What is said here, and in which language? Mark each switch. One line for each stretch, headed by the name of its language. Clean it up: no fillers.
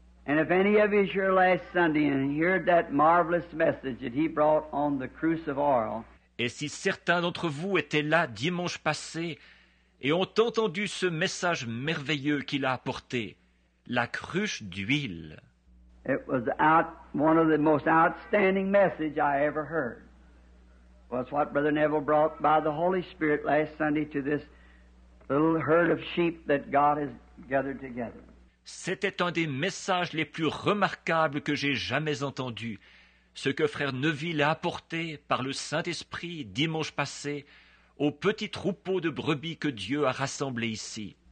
English: And if any of you here last Sunday and heard that marvelous message that he brought on the cruise of oil.
French: Et si certains d'entre vous étaient là dimanche passé et ont entendu ce message merveilleux qu'il a apporté, la cruche d'huile.
English: It was one of the most outstanding messages I ever heard. Was what Brother Neville brought by the Holy Spirit last Sunday to this little herd of sheep that God has gathered together.
French: C'était un des messages les plus remarquables que j'ai jamais entendu. Ce que frère Neville a apporté par le Saint-Esprit dimanche passé au petit troupeau de brebis que Dieu a rassemblé ici.